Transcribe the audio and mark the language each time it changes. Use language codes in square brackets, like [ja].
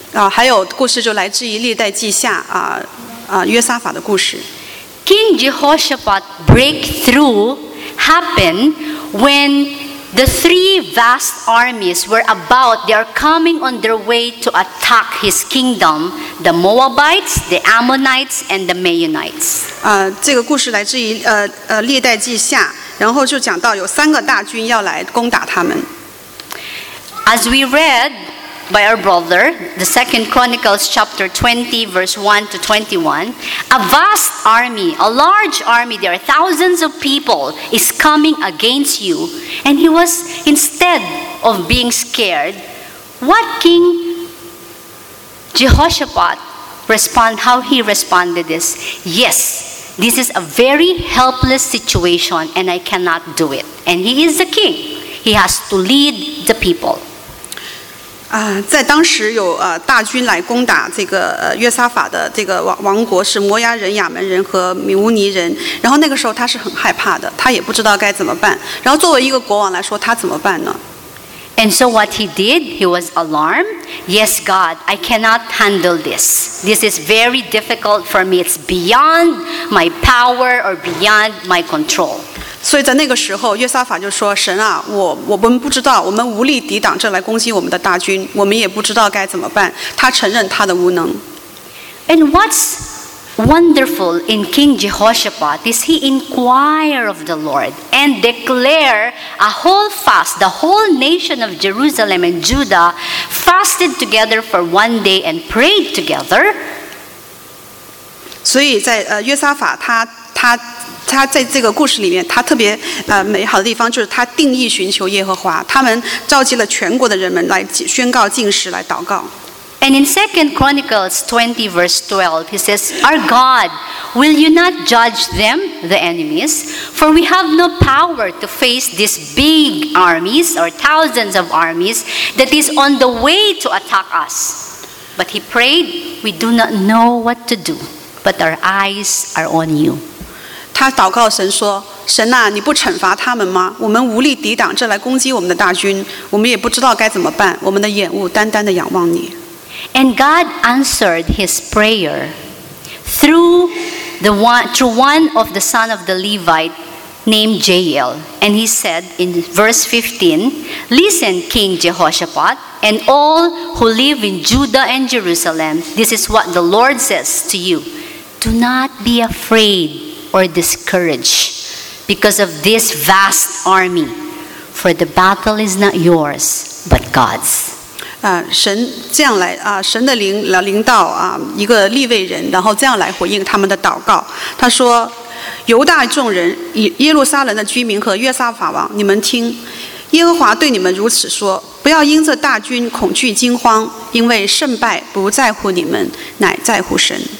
[zh] 还有故事就来自于历代记下约撒法的故事。 [en] King Jehoshaphat breakthrough happened when the three vast armies were about, they are coming on their way to attack his kingdom, the Moabites, the Ammonites, and the Meunites. [zh] 这个故事来自于历代记下，然后就讲到有三个大军要来攻打他们。 [en] As we read by our brother, the Second Chronicles chapter 20, verse 1 to 21, a vast army, a large army, there are thousands of people, is coming against you. And he was, instead of being scared, what King Jehoshaphat responded, how he responded this, yes, this is a very helpless situation and I cannot do it. And he is the king. He has to lead the people. [zh] 在当时有大军来攻打这个约撒法的这个王国，是摩押人、亚门人和米乌尼人。然后那个时候他是很害怕的，他也不知道该怎么办。然后作为一个国王来说，他怎么办呢 [en] ？And so what he did, he was alarmed. Yes, God, I cannot handle this. This is very difficult for me. It's beyond my power or beyond my control. [zh] 所以在那个时候，约撒法就说：“神啊，我们不知道，我们无力抵挡这来攻击我们的大军，我们也不知道该怎么办。” 他承认他的无能。 [en] And what's wonderful in King Jehoshaphat is he inquire of the Lord and declare a whole fast. The whole nation of Jerusalem and Judah fasted together for one day and prayed together. [zh] 所以在约撒法他在这个故事里面，他特别美好的地方就是他定义寻求耶和华。他们召集了全国的人们来宣告禁食，来祷告。 [en] And in 2 Chronicles 20 verse 12, he says, "Our God, will you not judge them, the enemies? For we have no power to face these big armies or thousands of armies that is on the way to attack us." But he prayed, "We do not know what to do, but our eyes are on you." [zh] 他祷告神说，神啊，你不惩罚他们吗？我们无力抵挡这来攻击我们的大军，我们也不知道该怎么办，我们的眼目单单地仰望你。 [en] And God answered his prayer through one of the son of the Levite named Jael. And he said in verse 15, "Listen, King Jehoshaphat, and all who live in Judah and Jerusalem, this is what the Lord says to you. Do not be afraid or discouraged because of this vast army, for the battle is not yours but God's." [zh] 神这样来神的灵到一个利未人，然后这样来回应他们的祷告。他说，犹大众人，耶路撒冷的居民和约撒法王，你们听，耶和华对你们如此说，不要因这大军恐惧惊慌，因为胜败不在乎你们，乃在乎神。